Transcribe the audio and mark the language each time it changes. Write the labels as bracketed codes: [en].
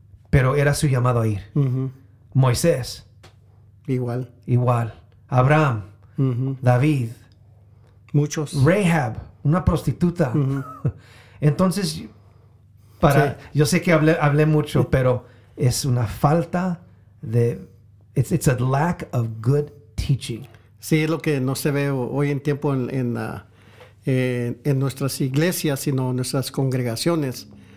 [es] Pero era su llamado a ir. Uh-huh. Moisés. Igual. Igual. Abraham. Uh-huh. David. Muchos. Rahab, una prostituta. Uh-huh. Entonces, yo sé que hablé mucho, pero es una falta de... [en] It's a lack of good teaching. [es] Sí, es lo que no se ve hoy en tiempo en nuestras iglesias, sino en nuestras congregaciones.